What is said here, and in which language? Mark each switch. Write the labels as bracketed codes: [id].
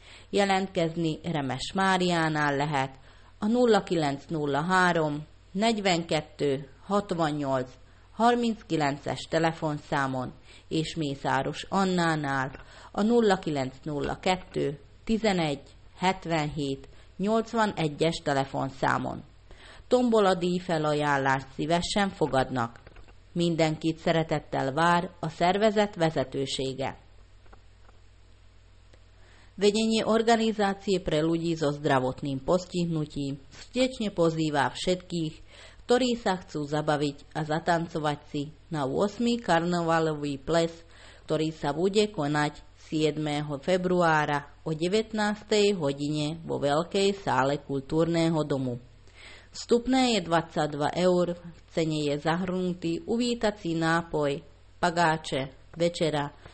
[hu] Jelentkezni Remes Máriánál lehet a 0903 42 68 39-es telefonszámon és Mészáros Annánál a 0902 11 77 81-es telefonszámon. Tombola díjfelajánlást szívesen fogadnak. Mindenkit szeretettel vár a szervezet vezetősége. [sk] Vedenie organizácie pre ľudí so zdravotným postihnutím srdečne pozýva všetkých, ktorí sa chcú zabaviť a zatancovať si na 8. karnevalový ples, ktorý sa bude konať 7. februára o 19. hodine vo Veľkej sále kultúrneho domu. Vstupné je 22 eur, v cene je zahrnutý uvítací nápoj, pagáče, večera,